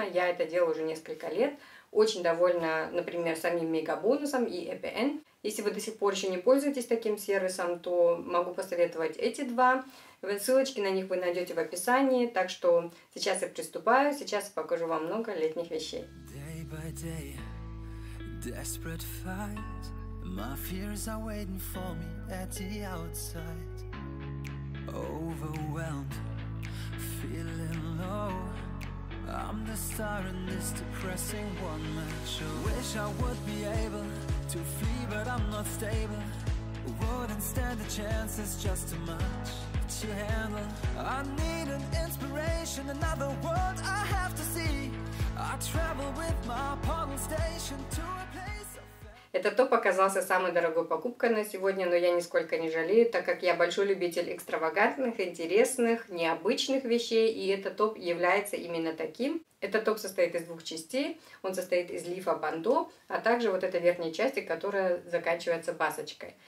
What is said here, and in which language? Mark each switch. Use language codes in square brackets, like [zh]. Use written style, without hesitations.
[ru] Я это делаю уже несколько лет. Очень довольна, например, самим мегабонусом и EPN. Если вы до сих пор еще не пользуетесь таким сервисом, то могу посоветовать эти два. Ссылочки на них вы найдете в описании. Так что сейчас я приступаю, сейчас я покажу вам много летних вещей. [en] Day by day. Desperate fight, my fears are waiting for me at the outside. Overwhelmed, feeling low. I'm the star in this depressing one-man show. Wish I would be able to flee, but I'm not stable. Wouldn't stand the chances, just too much to handle. I need an inspiration, another world I have to see. I travel with my pardon station to a place. [ru] Это топ оказался самой дорогой покупкой на сегодня, но я нисколько не жалею, так как я большой любитель экстравагантных, интересных, необычных вещей, и этот топ является именно таким. Этот топ состоит из двух частей, он состоит из лифа бандо, а также вот этой верхней части, которая заканчивается басочкой.